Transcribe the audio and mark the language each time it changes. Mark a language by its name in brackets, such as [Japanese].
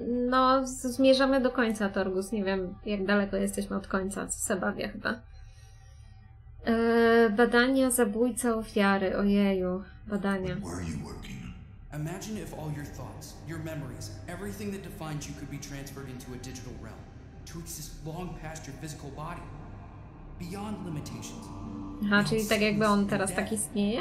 [Polish] No, zmierzamy do końca, Torgus. Nie wiem, jak daleko jesteśmy od końca. Co se bawię chyba. Badania zabójca ofiary. Ojeju, badania. [English] Imagine if all your thoughts, your memories, everything that defines you could be transferred into a digital realm. To exist long past your physical body. Beyond limitations. [Polish] Aha, czyli tak jakby on teraz tak istnieje?